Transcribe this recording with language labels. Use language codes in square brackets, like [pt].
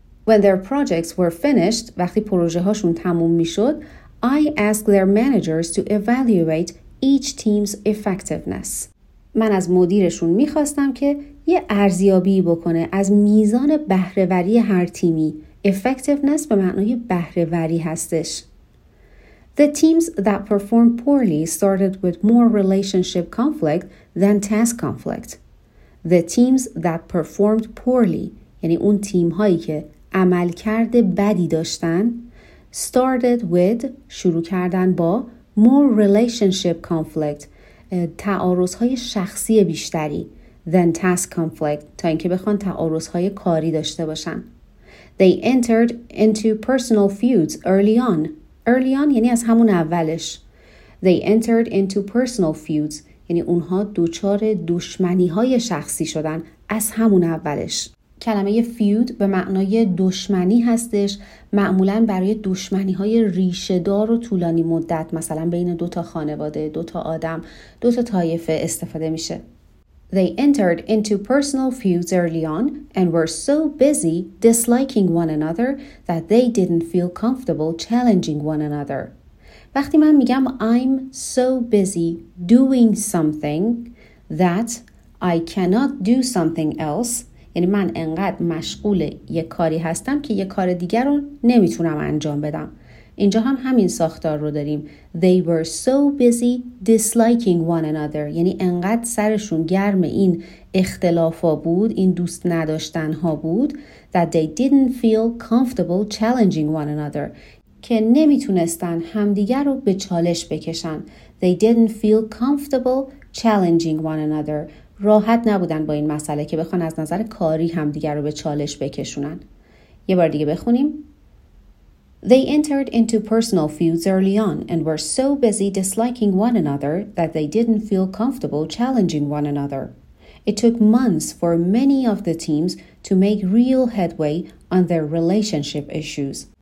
[en] When their projects were finished, [fa] وقتی پروژه هاشون تموم می شد, [en] I asked their managers to evaluate each team's effectiveness. [fa] من از مدیرشون میخواستم که یه ارزیابی بکنه از میزان بهره‌وری هر تیمی. Effectiveness به معنای بهره‌وری هستش. [en] The teams that performed poorly started with more relationship conflict than task conflict. The teams that performed poorly, [fa] یعنی اون تیم‌هایی که عملکرد بدی داشتن, [en] started with, [fa] شروع کردن با, [en] more relationship conflict, [fa] تعارض‌های شخصی بیشتری, [en] than task conflict, [fa] تا اینکه بخوان تعارض‌های کاری داشته باشن. [en] They entered into personal feuds early on. [fa] Early on یعنی از همون اولش. [en] They entered into personal feuds, [fa] یعنی اونها دوچار دشمنی‌های شخصی شدن از همون اولش. کلمه feud به معنای دشمنی هستش, معمولاً برای دشمنی‌های ریشه‌دار و طولانی مدت, مثلا بین دو تا خانواده, دو تا آدم, دو تا طایفه استفاده میشه. [en] They entered into personal feuds early on and were so busy disliking one another that they didn't feel comfortable challenging one another. [fa] وقتی من میگم [en] I'm so busy doing something that I cannot do something else, [fa] یعنی من انقدر مشغول یه کاری هستم که یه کار دیگر رو نمیتونم انجام بدم. اینجا هم همین ساختار رو داریم. [en] They were so busy disliking one another. [fa] یعنی انقدر سرشون گرم این اختلافا بود, این دوست نداشتنها بود, [en] that they didn't feel comfortable challenging one another. [fa] که نمیتونستن همدیگر رو به چالش بکشن. [en] They didn't feel comfortable challenging one another. [fa] راحت نبودن با این مسئله که بخوان از نظر کاری همدیگر رو به چالش بکشونن. یه بار دیگه بخونیم. [en] They entered into personal feuds early on and were so busy disliking one another that they didn't feel comfortable challenging one another. It took months for many of the teams to make real headway on their relationship issues.